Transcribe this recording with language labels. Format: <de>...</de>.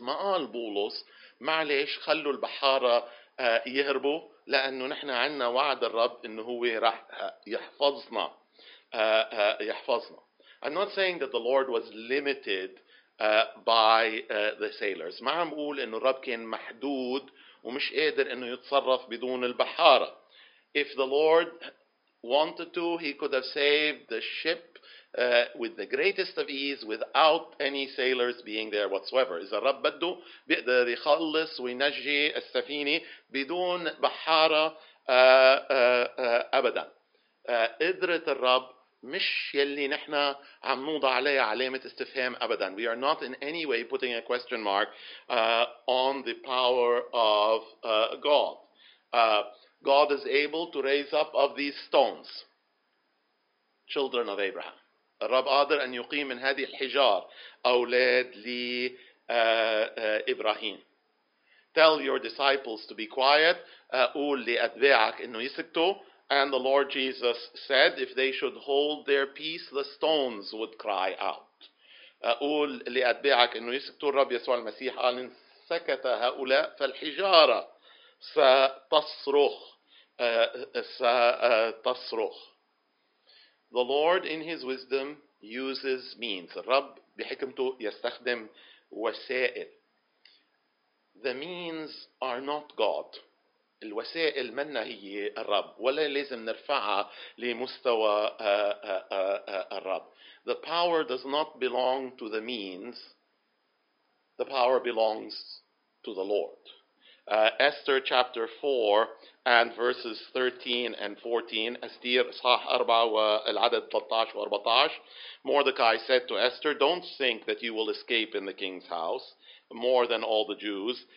<ar>ما قال بولس معلش خلوا البحارة يهربوا لأنه نحن عنا وعد الرب إنه هو راح يحفظنا يحفظنا.</ar> <en>I'm not saying that the Lord was limited by the sailors.</en> <ar>ما عم بقول إنه الرب كان محدود ومش قادر إنه يتصرف بدون البحارة.</ar> <en>If the Lord wanted to, he could have saved the ship with the greatest of ease without any sailors being there whatsoever.</en> <ar>إذا الرب بده بيقدر يخلص وينجي السفينة بدون بحارة أبدا. قدرة الرب مش يلي نحنا عم نوضع عليه علامة استفهام أبدا.</ar> <en>We are not in any way putting a question mark on the power of God. God is able to raise up of these stones, children of Abraham.</en> <ar>الرب قادر أن يقيم من هذه الحجار أولاد لإبراهيم.</ar> <en>Tell your disciples to be quiet.</en> <ar>قول لأتباعك إنه يسكتوا.</ar> <en>And the Lord Jesus said, if they should hold their peace, the stones would cry out.</en> <ar>قول لأتباعك إنه يسكتوا. الرب يسوع المسيح قال إن سكت هؤلاء فالحجارة ستصرخ. ستصرخ.</ar> <en>The Lord in his wisdom uses means.</en> <ar>الرب بحكمته يستخدم وسائل.</ar> <en>The means are not God.</en> <ar>الوسائل منا هي الرب ولا لازم نرفعها لمستوى الرب.</ar> <en>The power does not belong to the means. The power belongs to the Lord. Esther chapter 4 and verses 13 and 14.</en> <ar>Esther صح 4 والعدد 13 و14.</ar> <en>Mordecai said to Esther, don't think that you will escape in the king's house more than all the Jews.</en>